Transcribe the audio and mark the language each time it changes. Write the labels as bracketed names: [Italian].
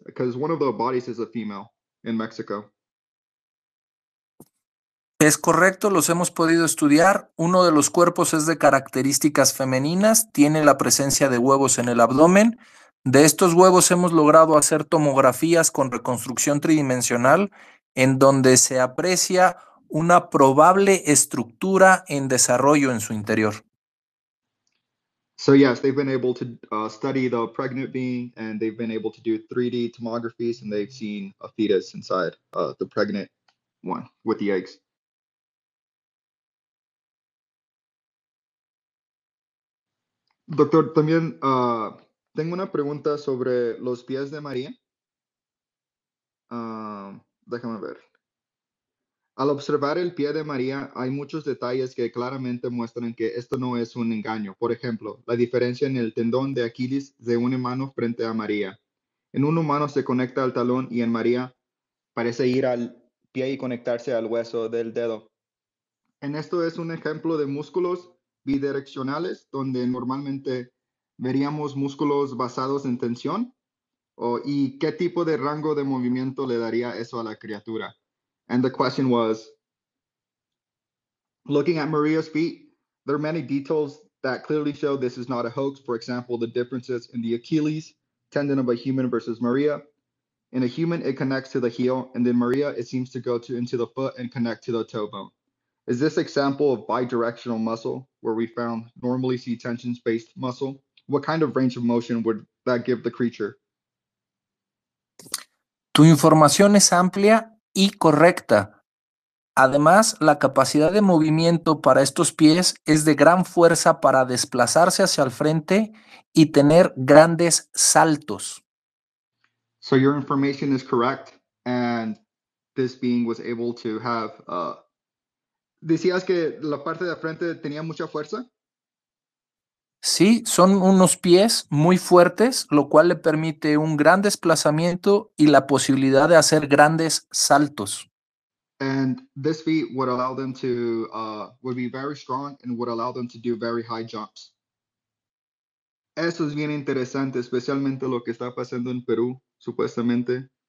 [English] Because one of the bodies is a female in Mexico. [Spanish] Es correcto, los hemos podido estudiar. Uno de los cuerpos es de características femeninas, tiene la presencia de huevos en el abdomen. De estos huevos hemos logrado hacer tomografías con reconstrucción tridimensional, en donde se aprecia una probable estructura en desarrollo en su interior. [English] So yes, they've been able to study the pregnant being, and they've been able to do 3D tomographies, and they've seen a fetus inside the pregnant one with the eggs. [Spanish] Doctor, también tengo una pregunta sobre los pies de María. Déjame ver. Al observar el pie de María, hay muchos detalles que claramente muestran que esto no es un engaño. Por ejemplo, la diferencia en el tendón de Aquiles de un humano frente a María. En un humano se conecta al talón y en María parece ir al pie y conectarse al hueso del dedo. En esto es un ejemplo de músculos bidireccionales, donde normalmente veríamos músculos basados en tensión. ¿Y qué tipo de rango de movimiento le daría eso a la criatura? [English] And the question was, looking at Maria's feet, there are many details that clearly show this is not a hoax. For example, the differences in the Achilles tendon of a human versus Maria. In a human, it connects to the heel, and then Maria, it seems to go into the foot and connect to the toe bone. Is this example of bidirectional muscle, where we found normally see tension-based muscle? What kind of range of motion would that give the creature? [Spanish] Tu información es amplia y correcta. Además, la capacidad de movimiento para estos pies es de gran fuerza para desplazarse hacia el frente y tener grandes saltos. [English] So your information is correct, and this being was able to have. [Spanish] ¿Decías que la parte de frente tenía mucha fuerza? Sí, son unos pies muy fuertes, lo cual le permite un gran desplazamiento y la posibilidad de hacer grandes saltos. [English] And this feet would allow them to would be very strong and would allow them to do very high jumps. [Spanish] Eso es bien interesante, especialmente lo que está pasando en Perú, supuestamente.